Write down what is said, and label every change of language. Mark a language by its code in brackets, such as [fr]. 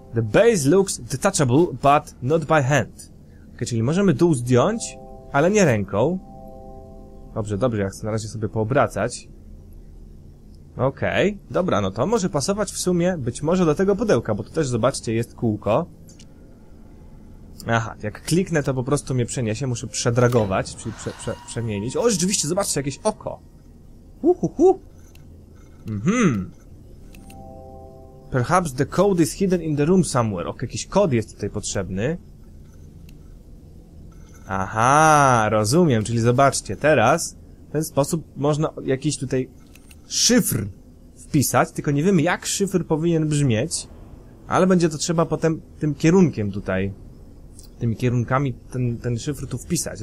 [en] The base looks detachable, but not by hand. [pl] Okej, czyli możemy dół zdjąć, ale nie ręką. Dobrze, ja chcę na razie sobie poobracać. Okej, dobra, no to może pasować w sumie być może do tego pudełka, bo tu też, zobaczcie, jest kółko. Aha, jak kliknę, to po prostu mnie przeniesie, muszę przedragować, czyli przemienić. O, rzeczywiście, zobaczcie, jakieś oko. Uhuhu. Mhm. [en] Perhaps the code is hidden in the room somewhere. [pl] Okej, jakiś kod jest tutaj potrzebny. Aha, rozumiem, czyli zobaczcie, teraz w ten sposób można jakiś tutaj... szyfr wpisać, tylko nie wiem, jak szyfr powinien brzmieć, ale będzie to trzeba potem tym kierunkiem tutaj, tymi kierunkami ten szyfr tu wpisać.